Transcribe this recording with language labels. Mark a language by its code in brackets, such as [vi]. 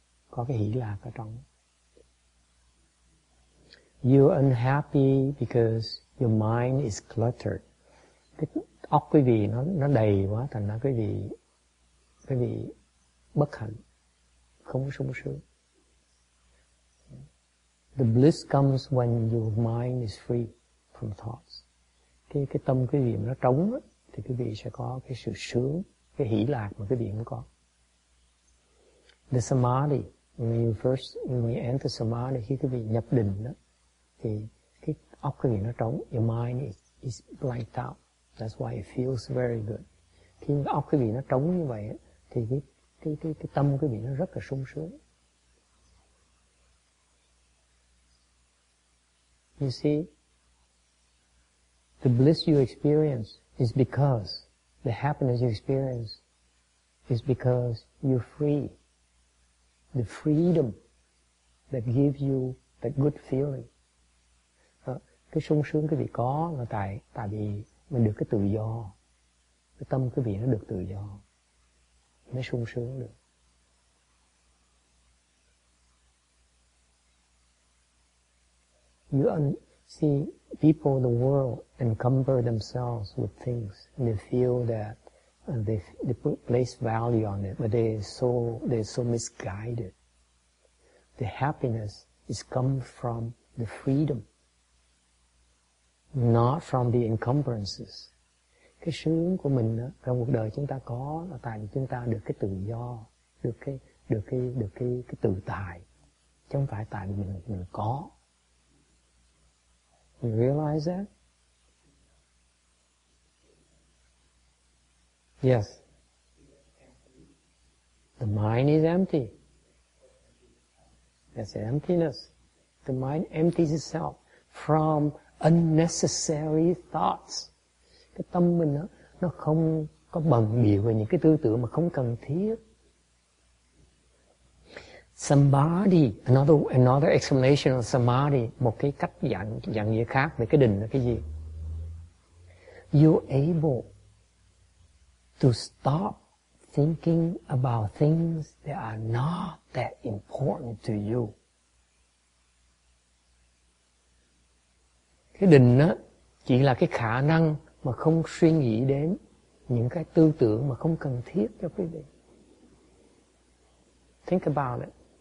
[vi] Có cái hỷ lạc ở trong. [en] You're unhappy because your mind is cluttered. [vi] Cái óc quý vị nó đầy quá, thành ra quý vị bất hạnh, không có sung sướng. [en] The bliss comes when your mind is free from thoughts. [vi] Cái tâm quý vị nó trống á, thì quý vị sẽ có cái sự sướng, cái hỷ lạc mà quý vị không có. [en] The samadhi, when you enter samadhi, [vi] khi quý vị nhập định đó, thì cái óc quý vị nó trống, [en] your mind is blanked out. That's why it feels very good. [vi] Khi óc quý vị nó trống như vậy á, thì cái tâm quý vị nó rất là sung sướng. [en] You see, the bliss you experience is because the happiness you experience is because you're free. The freedom that gives you that good feeling. [vi] Cái sung sướng quý vị có là tại vì mình được cái tự do. Cái tâm quý vị nó được tự do. Mới sung sướng được. [en] You see, people in the world encumber themselves with things and they feel that they place value on it, but they're so misguided. The happiness is come from the freedom, not from the encumbrances. [vi] Cái sướng của mình đó, trong cuộc đời chúng ta có là tại vì chúng ta được cái tự do, được cái tự tại, chứ không phải tại vì mình có. [en] You realize that? Yes. The mind is empty. That's emptiness. The mind empties itself from unnecessary thoughts. [vi] Cái tâm mình đó, nó không có bận biểu về những cái tư tưởng mà không cần thiết. [en] Samadhi, another explanation of samadhi, [vi] một cái cách dạng nghĩa khác về cái định là cái gì? [en] You're able to stop thinking about things that are not that important to you. [vi] Cái định đó chỉ là cái khả năng mà không suy nghĩ đến những cái tư tưởng mà không cần thiết cho quý vị. [en] Think about it.